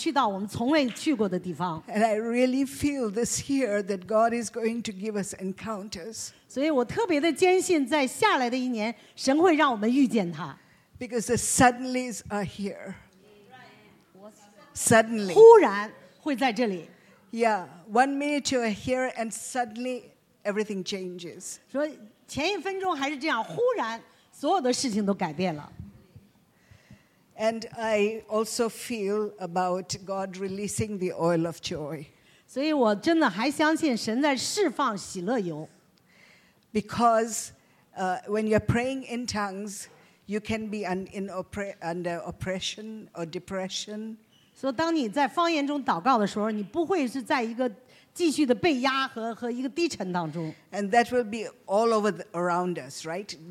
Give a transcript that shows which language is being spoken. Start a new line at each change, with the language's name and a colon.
Chinese: 所以当我们在这个方言祷告的时候，神可以带领我们去到我们从未去过的地方。
English: And I really feel this year that God is going to give us encounters.
Chinese: 所以我特别的坚信，在下来的一年，神会让我们遇见他。
English: Because the suddenlies are here. suddenly.
Chinese: 忽然会在这里。
English: Yeah, 1 minute you're here and suddenly everything changes.
Chinese: 所以前一分钟还是这样，忽然所有的事情都改变了。
English: And I also feel about God releasing the oil of joy.
Chinese: 所以我真的还相信神在释放喜乐油。
English: Because when you're praying in tongues, you can be under oppression or depression.
Chinese: 所以当你在方言中祷告的时候，你不会是在一个继续的被压和一个低沉当中。
English: And that will be all over around us, right?